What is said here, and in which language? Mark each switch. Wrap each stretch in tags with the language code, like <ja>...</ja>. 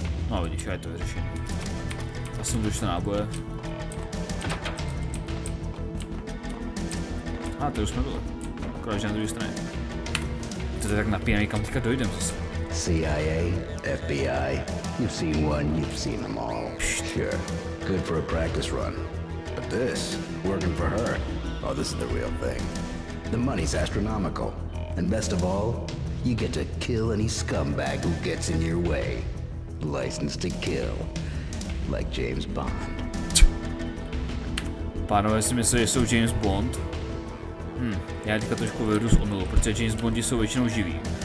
<cs>No vidíš, já je to vyřešen. Asi mu došlo náboje. A to už jsme byli. Akorát, že na druhé straně. To je tak napínavý, kam teďka dojdem zase.</cs> <en>CIA, FBI, you've seen one, you've seen them all. Sure, good for a practice run. But this, working for her, oh, this is the real thing. The money's astronomical. And best of all, you get to kill any scumbag who gets in your way. License to kill, like James Bond.</en> <cs>Pánové si myslí, že jsou James Bond? Já teďka trošku vyjdu z omylu, protože James Bondi jsou většinou živí.</cs>